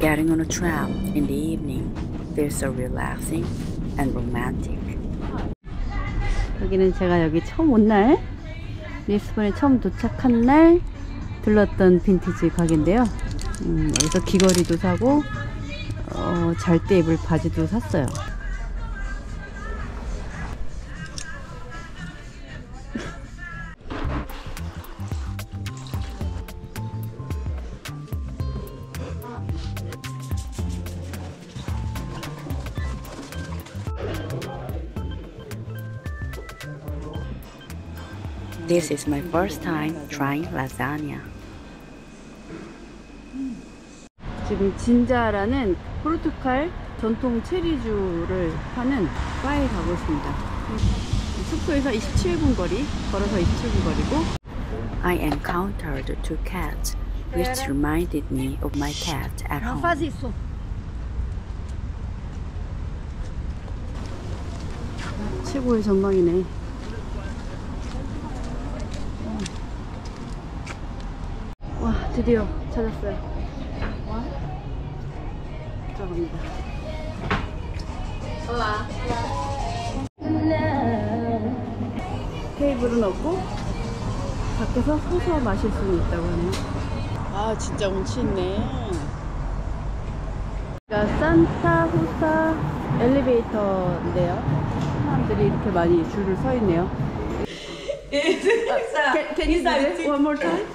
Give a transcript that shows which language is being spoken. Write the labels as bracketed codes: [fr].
[en] Getting on a tram in the evening feels so relaxing and romantic. [ko] 여기는 제가 여기 처음 온 날, 리스본에 처음 도착한 날 들렀던 빈티지 가게인데요. 여기서 귀걸이도 사고 잘 때 입을 바지도 샀어요. [en] This is my first time trying lasagna. [ko] 지금 진자라는 포르투갈 전통 체리주를 파는 바에 가고 있습니다. 숙소에서 27분 거리, 걸어서 27분 거리고. [en] I encountered two cats, which reminded me of my cat at home. [ko] 나 있어. 최고의 전망이네. 와, 드디어 찾았어요. 테이블은 없고 밖에서 소주 마실 수 있다고 하네요. 아, 진짜 운치 있네. 자, 산타 호사 엘리베이터인데요. 사람들이 이렇게 많이 줄을 서 있네요. [en] can you say it one more time?